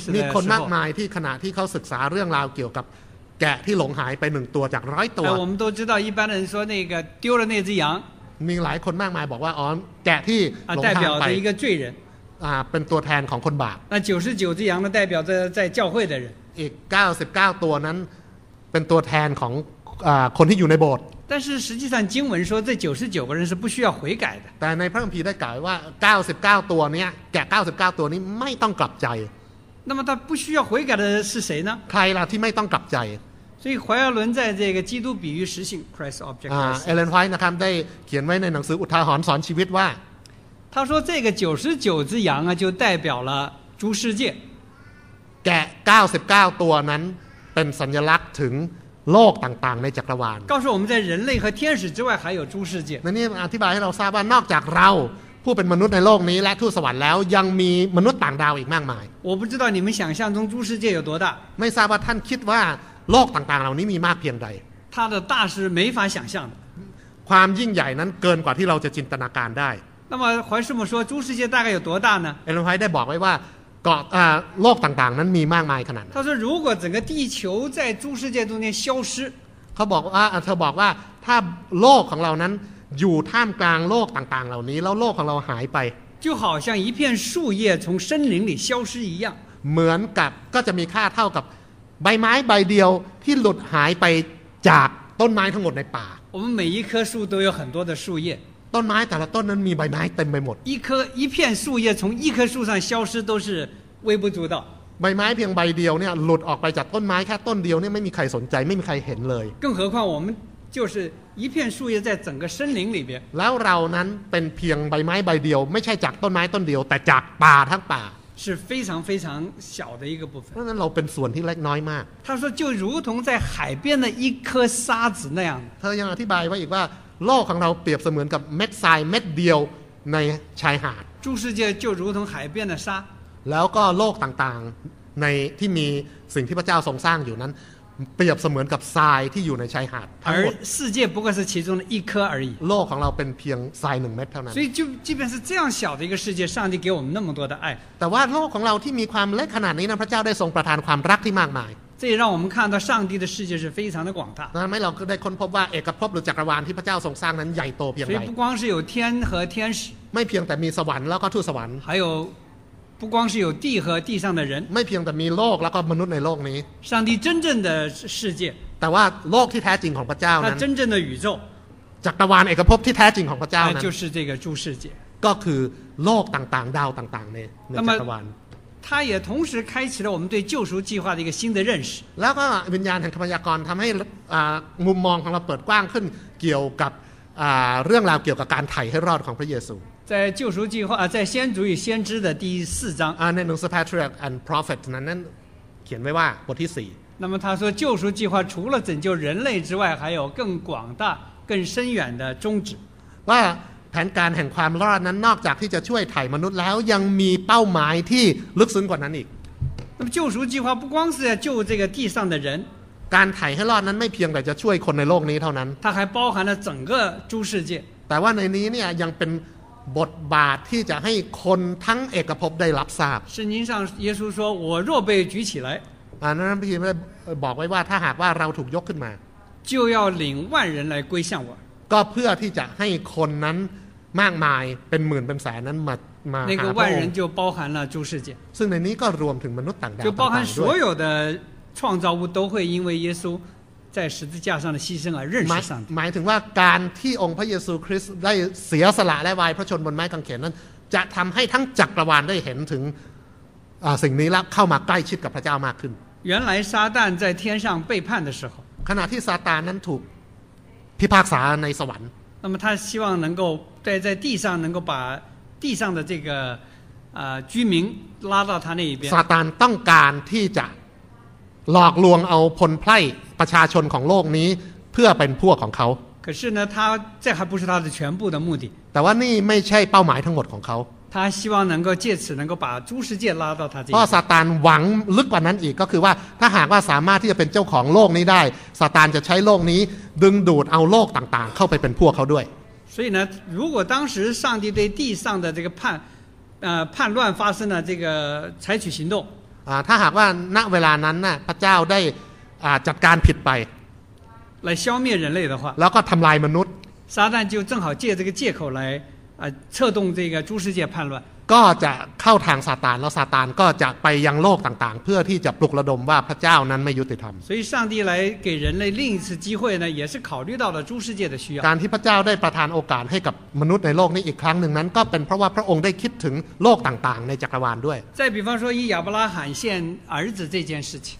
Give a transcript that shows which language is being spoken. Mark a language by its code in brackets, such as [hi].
[th] มีคนมากมายที่ขณะที่เขาศึกษาเรื่องราวเกี่ยวกับแกะที่หลงหายไป1ตัวจาก100ตัว [zh] 我们都知道一般人说那个丢了那只羊 [th] มีหลายคนมากมายบอกว่าอ๋อแกะที่หลงหายไป [zh] 代表的一个罪人 [th] เป็นตัวแทนของคนบาป [zh] 那99只羊呢代表着在教会的人 [th] อีก99ตัวนั้นเป็นตัวแทนของคนที่อยู่ในโบสถ์ [zh] 但是实际上经文说这99个人是不需要悔改的 [th] แต่ในพระคัมภีร์ได้กล่าวว่า99ตัวเนี้ยแกะ99ตัวนี้ไม่ต้องกลับใจ [zh] 那么他不需要悔改的是谁呢 [th] ใครล่ะที่ไม่ต้องกลับใจ [zh] 所以怀俄伦在这个基督比喻实性 [en] Christ object [th] Ellen White นะครับได้เขียนไว้ในหนังสืออุทาหรณ์สอนชีวิตว่า [zh] 他说这个99只羊啊就代表了诸世界 [th] แกะ99ตัวนั้นเป็นสัญลักษณ์ถึงโลกต่างๆในจักรวาล [zh] 告诉我们在人类和天使之外还有诸世界 [th] นี่อธิบายให้เราทราบว่านอกจากเราผู้เป็นมนุษย์ในโลกนี้และทูตสวรรค์แล้วยังมีมนุษย์ต่างดาวอีกมากมาย [zh] 我不知道你们想象中诸世界有多大 [th] ไม่ทราบว่าท่านคิดว่าโลกต่างๆเหล่านี้มีมากเพียงใด [zh] 他的大是没法想象的 [th] ความยิ่งใหญ่นั้นเกินกว่าที่เราจะจินตนาการได้ [zh] 那么怀师母说诸世界大概有多大呢 [th] เอลไฮได้บอกไว้ว่าก าะโลกต่างๆนั้นมีมากมายขนาดนั้ [zh] น他说如果整个地球在诸世界中间消失 [th] เขาบอกว่าถ้าโลกของเรานั้นอยู่ท่ามกลางโลกต่างๆเหล่านี้แล้วโลกของเราหายไป [zh] 就好像一片树叶从森林里消失一样 [th] เหมือนกับก็จะมีค่าเท่ากับใบไม้ใบเดียวที่หลุดหายไปจากต้นไม้ทั้งหมดในป่า [zh] 我们每一棵树都有很多的树叶 [th] ต้นไม้แต่ละต้นนั้นมีใบไม้เต็มไปหมด [zh] 一片树叶从一棵树上消失都是微不足道 [th] ใบไม้เพียงใบเดียวเนี่ยหลุดออกไปจากต้นไม้แค่ต้นเดียวเนี่ยไม่มีใครสนใจไม่มีใครเห็นเลย [zh] 更何况我们就是一片树叶在整个森林里边 [th] แล้วเรานั้นเป็นเพียงใบไม้ใบเดียวไม่ใช่จากต้นไม้ต้นเดียวแต่จากป่าทั้งป่า [zh] 是非常非常小的一个部分 [th] เพราะฉะนั้นเราเป็นส่วนที่เล็กน้อยมาก [zh] 他说就如同在海边的一颗沙子那样 [th] เธอยังอธิบายไว้อีกว่าโลกของเราเปรียบเสมือนกับเม็ดทรายเม็ดเดียวในชายหาด [zh] 诸世界就如同海边的沙 [th] แล้วก็โลกต่างๆในที่มีสิ่งที่พระเจ้าทรงสร้างอยู่นั้นเปรียบเสมือนกับทรายที่อยู่ในชายหาดทั้งหมด [zh] 世界不过是其中的一颗而已 [th] โลกของเราเป็นเพียงทรายหนึ่งเม็ดเท่านั้น [zh] 所以就即便是这样小的一个世界上帝给我们那么多的爱 [th] แต่ว่าโลกของเราที่มีความเล็กขนาดนี้นั้นพระเจ้าได้ทรงประทานความรักที่มากมาย [zh] นี่让我们看到上帝的世界是非常的广大 [th] นั่นไม่เราก็ได้ค้นพบว่าเอกภพหรือจักรวาลที่พระเจ้าทรงสร้างนั้นใหญ่โตเพียงใด [zh] ไม่不光是有天和天使 [th] ไม่เพียงแต่มีสวรรค์แล้วก็ทูตสวรรค์ [zh] 还有不光是有地和地上的人 [th] ไม่เพียงแต่มีโลกแล้วก็มนุษย์ในโลกนี้ [zh] 上帝真正的世界 [th] แต่ว่าโลกที่แท้จริงของพระเจ้านั้น [zh] 真正的宇宙 [th] จักรวาลเอกภพที่แท้จริงของพระเจ้านั้น [zh] 就是这个诸世界 [th] ก็คือโลกต่างๆดาวต่างๆในจักรวาล [zh] 他也同时开启了我们对救赎计划的一个新的认识 [th] แล้วก็วิญญาณแห่งทรัพยากรทำให้มุมมองของเราเปิดกว้างขึ้นเกี่ยวกับเรื่องราวเกี่ยวกับการไถ่ให้รอดของพระเยซู [zh] 在救赎计划在先祖与先知的第四章 [th] ในหนังสือ Patriarch and Prophet นั้นเขียนไว้ว่าบทที่4 [zh] 那么他说救赎计划除了拯救人类之外还有更广大更深远的宗旨 [th] ว่าแผนการแห่งความรอดนั้นนอกจากที่จะช่วยไถ่มนุษย์แล้วยังมีเป้าหมายที่ลึกซึ้งกว่านั้นอีก [zh] 那么救赎计划不光是要救这个地上的人 [th] การไถ่ให้รอดนั้นไม่เพียงแต่จะช่วยคนในโลกนี้เท่านั้น [zh] 它还包含了整个诸世界 [th] แต่ว่าในนี้เนี่ยยังเป็นบทบาทที่จะให้คนทั้งเอกภพได้รับทราบ [zh] 圣经上耶稣说我若被举起来 [th] นั้นพี่ได้บอกไว้ว่าถ้าหากว่าเราถูกยกขึ้นมา [zh] 就要领万人来归向我 [th] ก็เพื่อที่จะให้คนนั้นมากมายเป็นหมื่นเป็นแสนนั้นมา หาพระองค์ [zh] 那个万人就包含了诸世界 [th] ซึ่งในนี้ก็รวมถึงมนุษย์ต่างดาว [zh] จะ包含所有的创造物都会因为耶稣在十字架上的牺牲而认识上帝 [th] หมายถึงว่าการที่องค์พระเยซูคริสต์ได้เสียสละและวายพระชนม์บนไม้กางเขนนั้นจะทำให้ทั้งจักรวาลได้เห็นถึงสิ่งนี้และเข้ามาใกล้ชิดกับพระเจ้ามากขึ้น [zh] 原来撒旦在天上背叛的时候 [th] ขณะที่ซาตานนั้นถูกพิพากษาในสวรรค์ [zh] 那么他希望能够在地上能够把地上的这个居民拉到他那一边 [th] ซาตานต้องการที่จะหลอกลวงเอาพลไพร่ประชาชนของโลกนี้เพื่อเป็นพวกของเขา [zh] 可是呢他这还不是他的全部的目的 [th] แต่ว่านี่ไม่ใช่เป้าหมายทั้งหมดของเขา [zh] 他希望能够借此能够把诸世界拉到他这 [th] เพราะซาตานหวังลึกกว่านั้นอีกก็คือว่าถ้าหากว่าสามารถที่จะเป็นเจ้าของโลกนี้ได้ซาตานจะใช้โลกนี้ดึงดูดเอาโลกต่างๆเข้าไปเป็นพวกเขาด้วย [zh] 所以呢如果当时上帝对地上的这个叛乱发生了这个采取行动 [th] ถ้าหากว่าณเวลานั้นน่ะพระเจ้าได้จัดการผิดไป [zh] 来消灭人类的话 [th] แล้วก็ทำลายมนุษย์ [zh] 撒旦就正好借这个借口来策动这个诸世界叛乱 [th] ก็จะเข้าทางซาตานแล้วซาตานก็จะไปยังโลกต่างๆเพื่อที่จะปลุกระดมว่าพระเจ้านั้นไม่ยุติธรรม [zh] 所以上帝来给人类另一次机会呢也是考虑到了诸世界的需要 [th] การที่พระเจ้าได้ประทานโอกาสให้กับมนุษย์ในโลกนี้อีกครั้งนึงนั้นก็เป็นเพราะว่าพระองค์ได้คิดถึงโลกต่างๆในจักรวาลด้วย [zh] 再比方说以亚伯拉罕献儿子这件事情